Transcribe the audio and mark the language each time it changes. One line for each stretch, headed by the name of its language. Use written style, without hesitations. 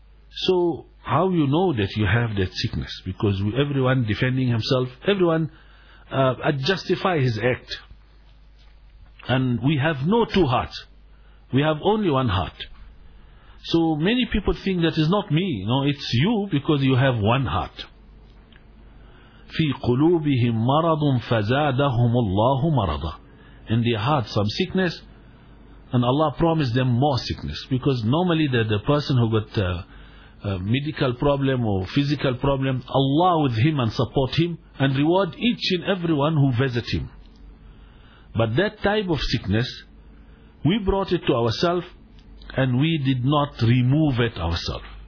English: So how you know that you have that sickness? Because everyone defending himself, everyone justify his act. And we have no two hearts. We have only one heart. So many people think that is not me. No, it's you, because you have one heart.
Arabic: في قلوبهم مرض فزادهم الله مرضا.
English: In their heart some sickness, and Allah promised them more sickness. Because normally the person who got a medical problem or physical problem, Allah with him and support him and reward each and everyone who visit him. But that type of sickness, we brought it to ourselves and we did not remove it ourselves.